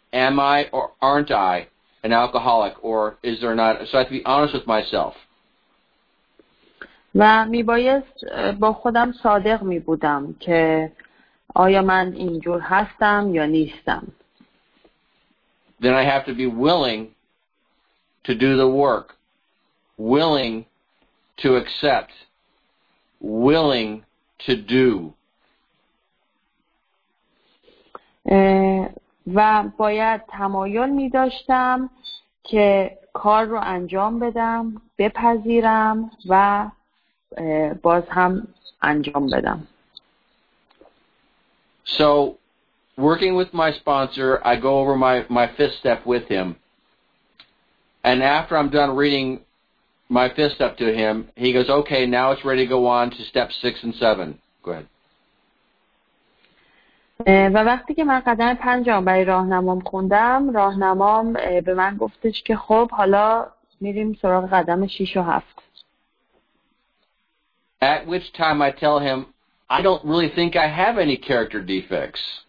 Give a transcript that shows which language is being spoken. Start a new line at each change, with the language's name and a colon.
English: Am I or aren't I an alcoholic or is there not? So I have to be honest with myself.
Persian: و میبایست با خودم صادق میبودم که آیا من اینجور هستم یا نیستم.
English: Then I have to be willing to do the work, willing to accept, willing to do.
Persian: و باید تمایل می داشتم که کار رو انجام بدم، بپذیرم و باز هم انجام بدم.
English: So, working with my sponsor, I go over my fifth step with him. And after I'm done reading my fifth step to him, he goes, okay, now it's ready to go on to step six and seven. Go ahead.
Persian: و وقتی که من قدم پنجم برای راهنمام خوندم، راهنمام به من گفتش که خب حالا میریم سراغ قدم 6 و 7.
English: At which time I tell him, I don't really think I have any character defects.